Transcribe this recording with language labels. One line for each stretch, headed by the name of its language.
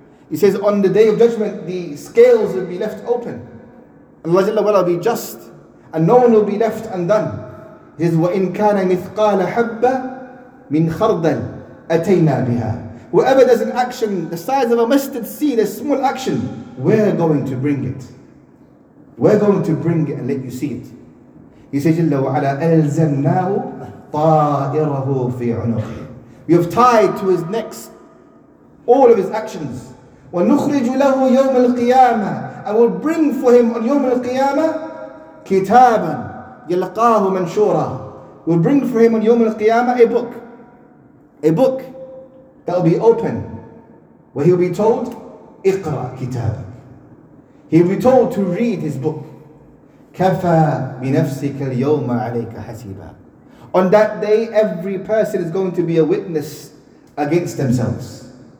English: He says, on the day of judgment, the scales will be left open. And Allah Jalla wa'ala will be just, and no one will be left undone. He says,
Arabic: وَإِن كَانَ مِثْقَالَ حَبَّ مِنْ خَرْدًا أَتَيْنَا بِهَا.
English: Whoever does an action, the size of a mustard seed, a small action, we're going to bring it. We're going to bring it and let you see it. He says, Jalla wa'ala,
Arabic: أَلْزَمْنَاهُ طَائِرَهُ فِي عُنُقِهِ.
English: We have tied to his necks all of his actions.
Arabic: وَنُخْرِجُ لَهُ يَوْمَ الْقِيَامَةِ.
English: I will bring for him on
Arabic: يَوْمَ الْقِيَامَةِ كِتَابًا يَلْقَاهُ مَنْشُورًا.
English: We'll bring for him on
Arabic: يَوْمَ الْقِيَامَةِ
English: a book that will be open, where he'll be told,
Arabic: اِقْرَأْ كِتَابًا.
English: He'll be told to read his book.
Arabic: كَفَى بِنَفْسِكَ الْيَوْمَ عَلَيْكَ حَسِيبًا.
English: On that day, every person is going to be a witness against themselves.